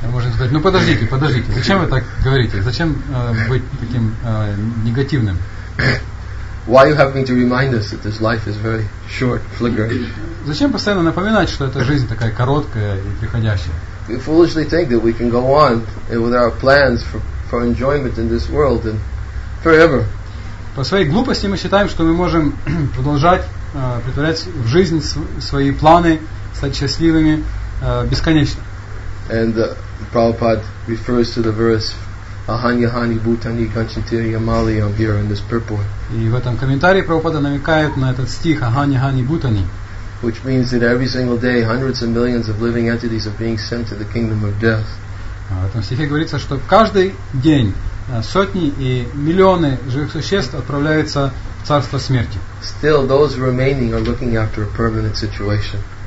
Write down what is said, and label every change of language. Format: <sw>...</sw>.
<ru>Можно сказать, ну подождите, подождите, зачем вы так говорите? Зачем быть таким негативным?</ru> <en>Why are you having to remind us that this life is very short, flickering?</en> <ru>Зачем постоянно напоминать, что эта жизнь такая короткая и приходящая?</ru> <en>We foolishly think that we can go on with our plans for enjoyment in this world and forever.</en> <ru>По своей глупости мы считаем, что мы можем продолжать притворять в жизнь свои планы, стать счастливыми бесконечно.</ru> <en>And Prabhupada refers to the verse</en> <sa>Ahanyahani Bhutani Ganchantiri Yamaliyam</sa> <en>here in this purport.</en> <ru>И в этом комментарии Прабхупада намекает на этот стих Ahanyahani Bhutani.</ru> <en>Which means that every single day hundreds of millions of living entities are being sent to the kingdom of death.</en> <ru>В этом стихе говорится, что каждый день сотни и миллионы живых существ отправляются в царство смерти.</ru> <en>Still, those remaining are looking after a permanent situation.</en>